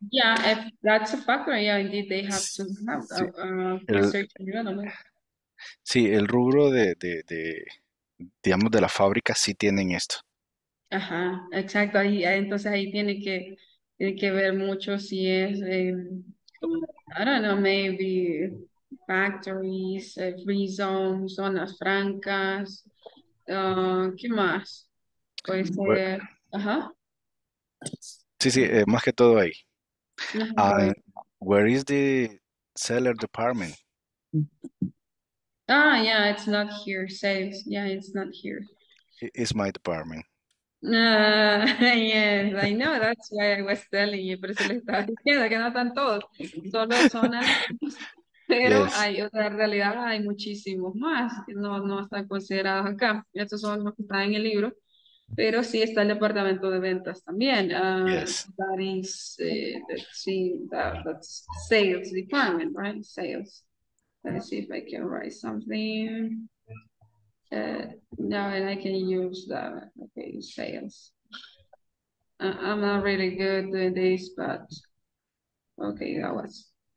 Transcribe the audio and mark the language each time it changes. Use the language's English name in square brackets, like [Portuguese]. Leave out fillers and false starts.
[English] Yeah, if that's a factor, yeah, indeed they have to have a certain development. [Spanish] Sí, el rubro de digamos de la fábrica sí tienen esto. Ajá, exacto. Ahí, entonces ahí tiene que ver mucho si es [English] I don't know, maybe factories, free zones, [Spanish] zonas francas, ¿qué más? Puede ser, bueno. Ajá. Sí, sí, más que todo ahí. [English] Where is the seller department? Ah, yeah, it's not here. Sales, yeah, it's not here. It's my department. Yes, I know, that's why I was telling you. [Spanish] Pero se le estaba diciendo que no están todos. Solo zonas. Pero yes. Hay otra realidad, hay muchísimos más que no están considerados acá. Estos son los que están en el libro. Pero sí está el departamento de ventas también. [English] Yes. That is, let's see, that's sales department, right? Sales. Let's see if I can write something. Now and I can use that. Okay, sales. I'm not really good doing this, but okay, that was.